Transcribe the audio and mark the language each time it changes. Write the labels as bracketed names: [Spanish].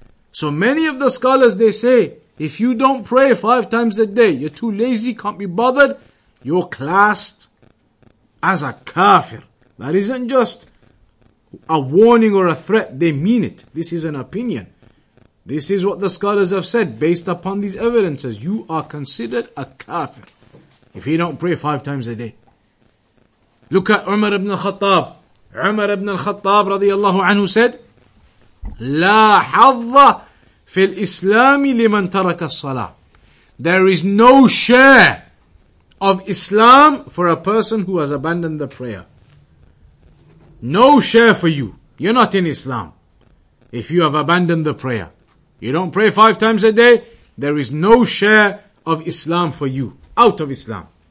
[English] So many of the scholars, they say, if you don't pray 5 times a day, you're too lazy, can't be bothered, you're classed as a kafir. That isn't just a warning or a threat, they mean it. This is an opinion. This is what the scholars have said, based upon these evidences. You are considered a kafir if you don't pray 5 times a day. Look at Umar ibn al-Khattab. Umar ibn al-Khattab radiallahu anhu said, [Arabic] لا حظ في الإسلام لمن ترك الصلاة. [English] There is no share of Islam for a person who has abandoned the prayer. No share for you. You're not in Islam if you have abandoned the prayer. You don't pray 5 times a day, there is no share of Islam for you, out of Islam.